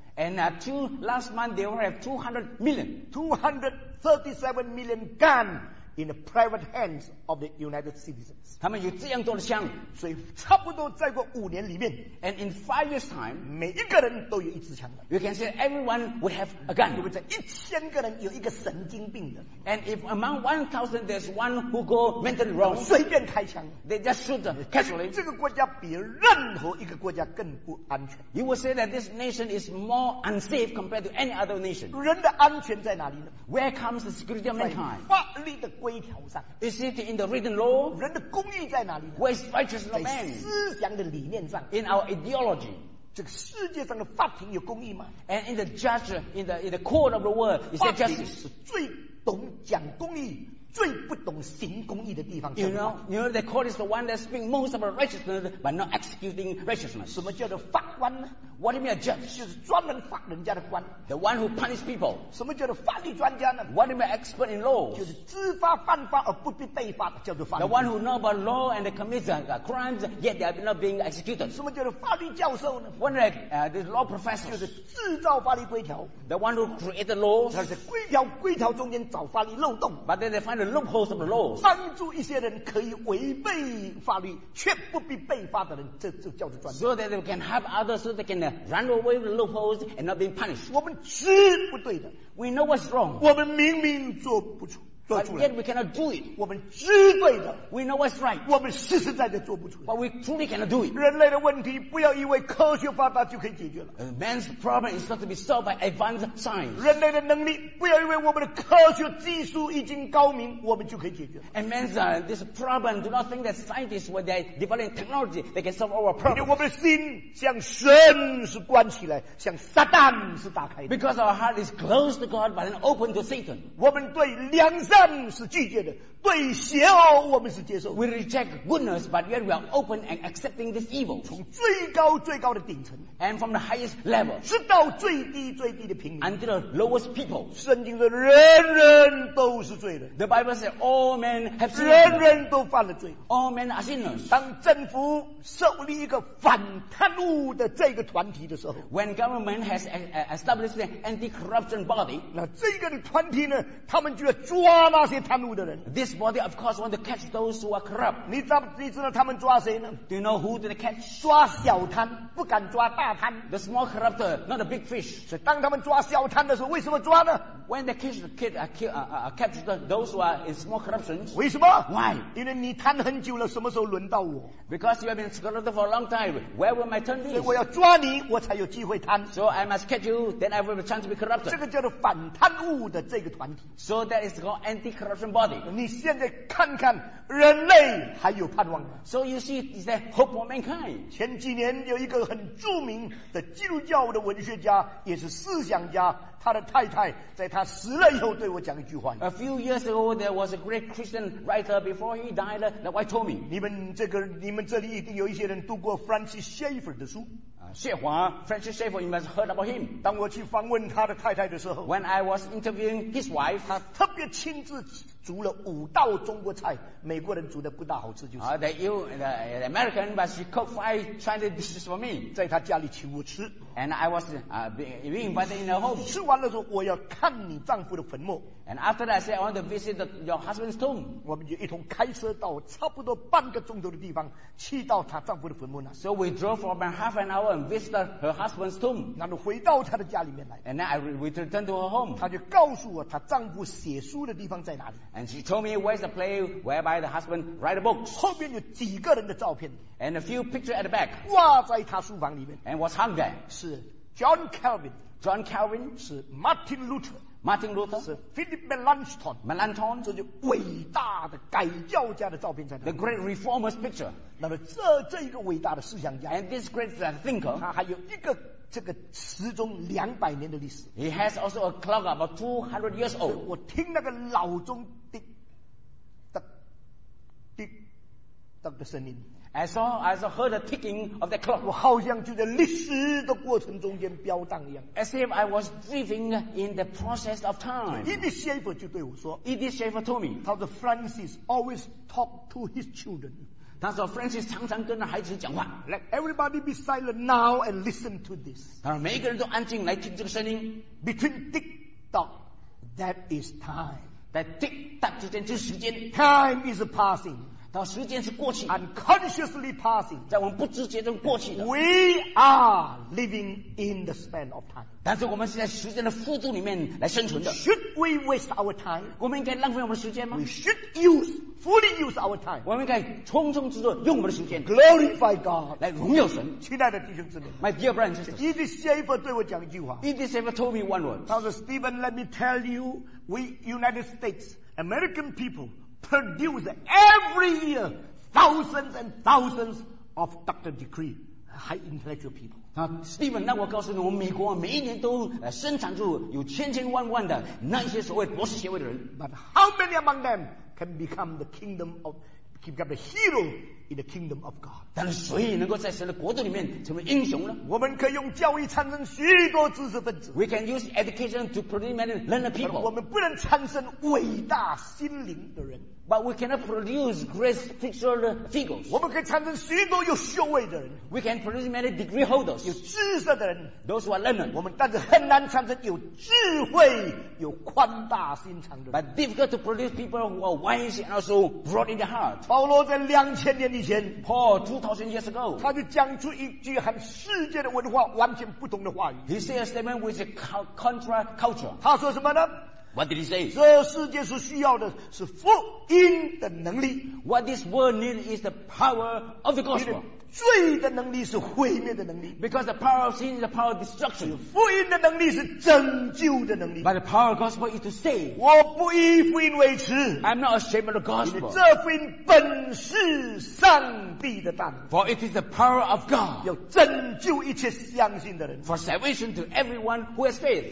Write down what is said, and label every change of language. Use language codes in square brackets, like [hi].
[en] And last month they already have 200 million. 237 million gun in the private hands of the United citizens. [zh] 他们有这样多的枪，所以差不多再过五年里面 [en] ，and in 5 years time， [zh] 每一个人都有一支枪。 [en] You can say everyone will have a gun. [zh] 因为这1000个人有一个神经病的。 [en] And if among 1000 there's one who go mentally wrong， [zh] 随便开枪 [en] ，they just shoot casually. [zh] 这个国家比任何一个国家更不安全。 [en] You will say that this nation is more unsafe compared to any other nation. [zh] 人的安全在哪里呢 [en] ？Where comes the security of mankind？ [zh] 法律的规条上。 [en] Is it in the written law？ [zh] 人的公义在哪里呢 [en] ？Where is righteousness of man？ [zh] 在思想的理念上。 [en] In our ideology。 [zh] 这个世界上的法庭有公义吗 [en] ？And in the judge in the court of the world is there justice？ [zh] 是最懂讲公义。最不懂行公义的地方 [en] you know the court is the one that speaks most about righteousness but not executing righteousness [zh] 什么叫做法官呢 [en] what do you mean a judge [zh] 就是专门法人家的官 [en] the one who punish people [zh] 什么叫做法律专家呢 [en] what do you mean expert in law [zh] 就是知法犯法而不必被罚的叫做法律 [en] the one who knows about law and commits crimes yet they are not being executed [zh] 什么叫做法律教授呢 [en] what do you mean this law professor [zh] 就是制造法律规条 [en] the one who created laws [zh] 就是规条规条中间找法律漏洞 [en] but then they find loopholes of the laws [zh] 帮助一些人可以违背法律却不必被罚的人这就叫做专家 [en] so that they can help others so they can run away with the loopholes and not being punished [zh] 我们知不对的 [en] we know what's wrong [zh] 我们明明做不出做出来 [en] but yet we cannot do it [zh] 我们知对的 [en] we know what's right [zh] 我们实实在在做不出来 [en] but we truly cannot do it [zh] 人类的问题不要以为科学发达就可以解决了 [en] man's problem is not to be solved by advanced science [zh] 人类的能力不要以为我们的科学技术已经高明我们就可以解决 [en] and man's this problem do not think that scientists when they develop technology they can solve our problem [zh] 因为我们的心像神是关起来像撒旦是打开的 [en] because our heart is closed to God but then open to Satan [zh] 我们对良善是拒绝的对邪恶我们是接受的 [en] We reject goodness but yet we are open and accepting this evil [zh] 从最高最高的顶层 [en] and from the highest level [zh] 直到最低最低的平民 [en] until the lowest people [zh] 圣经说人人都是罪人 [en] The Bible says all men have sinned [zh] 人人都犯了罪 [en] All men are sinners [zh] 当政府设立一个反贪污的这个团体的时候 [en] When government has established an anti-corruption body [zh] 那这个团体呢他们就要抓那些贪污的人 [en] This body of course want to catch those who are corrupt [zh] 你知道他们抓谁呢 [en] Do you know who they catch [zh] 抓小贪不敢抓大贪 [en] The small corrupter not a big fish [zh] 所以当他们抓小贪的时候为什么抓呢 [en] When they catch the kid catch those who are in small corruptions [zh] 为什么 [en] Why [zh] 因为你贪很久了什么时候轮到我 [en] Because you have been corrupt for a long time Where will my turn be [zh] 所以我要抓你我才有机会贪 [en] So I must catch you then I will have a chance to be corrupt [zh] 这个叫做反贪污的这个团体 [en] So that is called anti-corruption body [zh] 你现在看看人类还有盼望 [en] so you see is that hope for mankind [zh] 前几年有一个很著名的基督教的文学家也是思想家他的太太在他死了以后对我讲一句话 [en] a few years ago there was a great Christian writer before he died that wife told me [zh] 你们这里一定有一些人读过 Francis Schaeffer 的书 [en] 谢华 Francis Schaeffer you must have heard about him [zh] 当我去访问他的太太的时候 [en] when I was interviewing his wife [zh] 他特别亲自煮了五道中国菜，美国人煮的不大好吃就是。 [en] The American, but she cooked five Chinese dishes for me. [zh] 在她家里请我吃。 [en] And I was being invited in her home. [zh] 吃完了说我要看你丈夫的坟墓。 [en] And after that, I said I want to visit your husband's tomb. [zh] 我们就一同开车到差不多半个钟头的地方，去到她丈夫的坟墓那。 [en] So we drove for about half an hour and visited her husband's tomb. [zh] 然后回到她的家里面来。 [en] And then we returned to her home. [zh] 她就告诉我她丈夫写书的地方在哪里。 [en] And she told me where's the place whereby the husband write a book. [zh] 后面有几个人的照片。 [en] And a few pictures at the back. [zh] 挂在他书房里面。 [en] And was hung there. [zh] 是 John Calvin. [en] John Calvin. [zh] 是 Martin Luther. [en] Martin Luther. [zh] 是 Philip Melanchthon. [en] Melanchthon. [zh] 这就伟大的改教家的照片在那。 [en] The great reformer's picture. [zh] 那么这一个伟大的思想家。 [en] And this great thinker. [zh] 他还有一个这个时钟两百年的历史。 [en] He has also a clock about 200 years old. [zh] 我听那个老钟滴答滴答的声音。 [en] I saw heard the ticking of the clock. [zh] 我好像就在历史的过程中间飙荡一样。 [en] As if I was living in the process of time. [zh] Edith Schaeffer 就对我说。 [en] Edith Schaeffer told me. [zh] 他说 [en] Francis always talk to his children. [zh] 他说 Francis 常常跟孩子讲话。 [en] Let everybody be silent now and listen to this. [zh] 他说每一个人都安静来听这个声音。 [en] Between tick-tock, that is time. That tick-tock [zh] 之间就是时间。 [en] Time is passing. [zh] 他说时间是过去。 [en] Unconsciously passing. [zh] 在我们不知觉中过去的。 [en] We are living in the span of time. [zh] 但是我们是在时间的幅度里面来生存的。 [en] Should we waste our time? [zh] 我们应该浪费我们的时间吗？ [en] We should useFully use our time. [zh] 我们应该充充足足用我们的时间。 [en] Glorify God. [zh] 来荣耀神。亲爱的弟兄姊妹。 [en] My dear brothers and sisters. [zh] Edith Schaeffer 对我讲一句话。 [en] Edith Schaeffer told me one word. [zh] 他说 [en] Stephen, let me tell you, we United States, American people, produce every year thousands and thousands of doctor degree, high intellectual people. [zh] Stephen, 那我告诉你，我们美国每一年都生产出有千千万万的那些所谓博士学位的人。 [en] But how many among them can become the kingdom of, become the hero in the kingdom of God? [zh] 但是谁能够在神的国度里面成为英雄呢？我们可以用教育产生许多知识分子。 [en] We can use education to produce many learned people. [zh] 我们不能产生伟大心灵的人。 [en] But we cannot produce great spiritual figures. [zh] 我们可以产生许多有学位的人。 [en] We can produce many degree holders. [zh] 有知识的人。 [en] Those who are learned. [zh] 我们但是很难产生有智慧、有宽大心肠的人。 [en] But difficult to produce people who are wise and also broad in their heart. [zh] 保罗在两千年以前 [en] ，Paul 2000 years ago， [zh] 他就讲出一句和世界的文化完全不同的话语。 [en] He said a statement which is contra culture. [zh] 他说什么呢？ [en] What did he say? [zh] 这世界是需要的是福音的能力。 [en] What this world needs is the power of the gospel. [zh] 罪的能力是毁灭的能力。 [en] Because the power of sin is the power of destruction. [zh] 福音的能力是拯救的能力。 [en] But the power of gospel is to save. [zh] 我不以福音为耻。 [en] I'm not ashamed of the gospel. [zh] 这福音本是上帝的大能。 [en] For it is the power of God. [zh] 要拯救一切相信的人。 [en] For salvation to everyone who has faith.